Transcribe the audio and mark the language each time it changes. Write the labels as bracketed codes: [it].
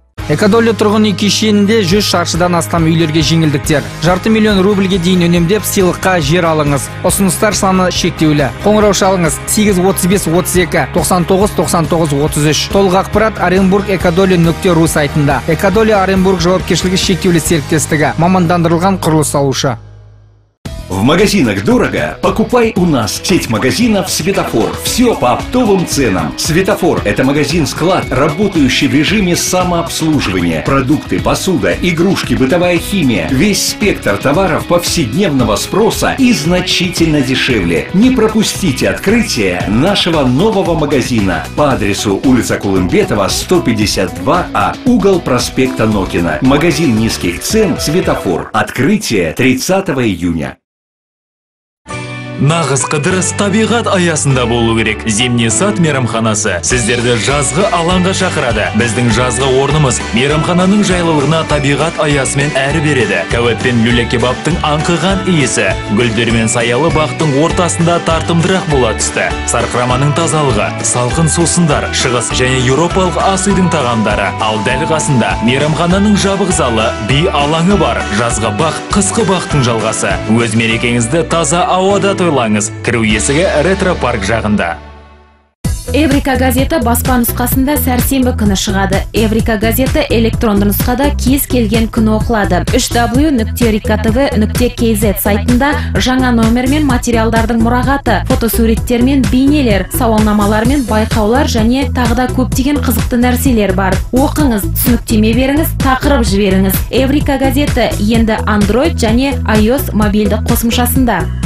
[kk] Экодолли тұрғын үй кешенінде 100 шаршыдан астам үйлерге жеңілдіктер. 500 000 рубльге дейін үнемдеп сыйлыққа жер алыңыз. Ұсыныстар саны шектеулі. Қоңырау шалыңыз 8-35-32-99-99-33. Толық ақпарат orenburgekodolli.ru сайтында. Экодолли Оренбург жауапкершілігі шектеулі серіктестігі. Мамандандырылған құрылыс салушы. [ru] В магазинах дорого? Покупай у нас. Сеть магазинов «Светофор». Все по оптовым ценам. «Светофор» – это магазин-склад, работающий в режиме самообслуживания. Продукты, посуда, игрушки, бытовая химия. Весь спектр товаров повседневного спроса и значительно дешевле. Не пропустите открытие нашего нового магазина по адресу улица Кулымбетова, 152А, угол проспекта Нокина. Магазин низких цен «Светофор». Открытие 30 июня. [kk] Нағыз қыдырыс табиғат аясында болу керек. Зимний сад мейрамханасы сіздерді жазғы алаңға шақырады. Біздің жазғы орнымыз мейрамхананың жайлылығына табиғат аясымен әрі береді. Кәуеппен люлекебаптың аңқыған иісі гүлдермен саялы бақтың ортасында тартымдырақ бола түсті. Сарқыраманың тазалығы, салқын сусындар, шығыс және еуропалық ас үйдің тағамдары. Ал дәл қасында мейрамхананың жабық залы, би алаңы бар. Жазғы бақ қысқы бақтың жалғасы. Өз мерекеңізді таза ауада тойлаңыз. Кіру есігі ретро-парк жағында. Еврика газеті баспа нұсқасында сәрсенбі күні шығады. Еврика газеті электронды нұсқада кез келген күні оқылады. www.rikatv.kz сайтында жаңа номер мен материалдардың мұрағаты, фотосуреттер мен бейнелер, сауалнамалар мен байқаулар және тағыда көптеген қызықты нәрселер бар. Оқыңыз, түсініктеме беріңіз, тақырып жіберіңіз. Еврика газеті енді Android және iOS мобильді қосымшасында.